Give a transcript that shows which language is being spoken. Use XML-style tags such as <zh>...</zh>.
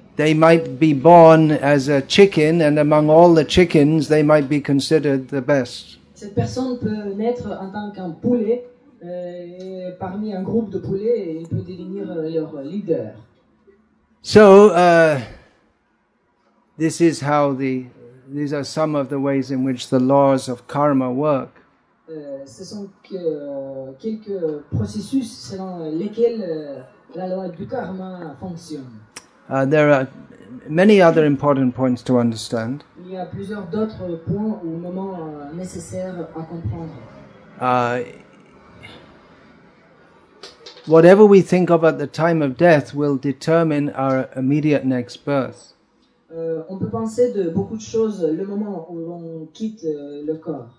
<en>They might be born as a chicken, and among all the chickens, they might be considered the best.</en> <fr>Cette personne peut naître en tant qu'un poulet. Et parmi un groupe de poulets, il peut devenir leur leader.</fr> <en>So, these are some of the ways in which the laws of karma work.</en> <fr>Ce sont quelques processus selon lesquels la loi du karma fonctionne.</fr> <en>There are many other important points to understand.</en> <fr>Il y a plusieurs d'autres points ou moments nécessaires à comprendre.</fr> <en>Whatever we think of at the time of death will determine our immediate next birth.</en> <fr>On peut penser de beaucoup de choses le moment où l'on quitte le corps.</fr>